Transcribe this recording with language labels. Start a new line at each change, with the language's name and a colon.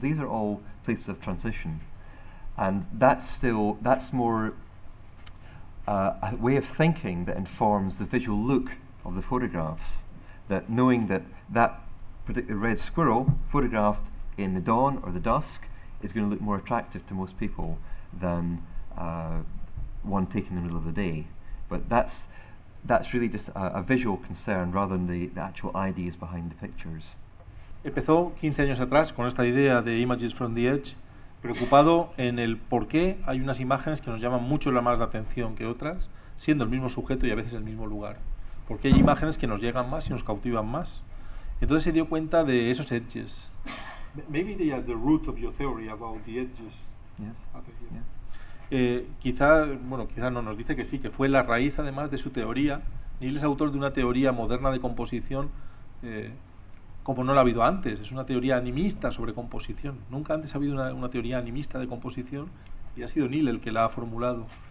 English: These are all places of transition. And that's more a way of thinking that informs the visual look of the photographs, that knowing that that particular red squirrel photographed in the dawn or the dusk is going to look more attractive to most people than one taken in the middle of the day. But that's really just a visual concern rather than the actual ideas behind the pictures.
Spanish: Empezó 15 años atrás con esta idea de Images from the Edge, preocupado en el por qué hay unas imágenes que nos llaman mucho más la atención que otras, siendo el mismo sujeto y a veces el mismo lugar. ¿Por qué hay imágenes que nos llegan más y nos cautivan más? Entonces se dio cuenta de esos edges.
English: Maybe they are the root of your theory about the edges. Yes. Okay, yeah.
Spanish: Quizá no, nos dice que sí, que fue la raíz además de su teoría. Neil es autor de una teoría moderna de composición como no la ha habido antes. Es una teoría animista sobre composición. Nunca antes ha habido una teoría animista de composición y ha sido Neil el que la ha formulado.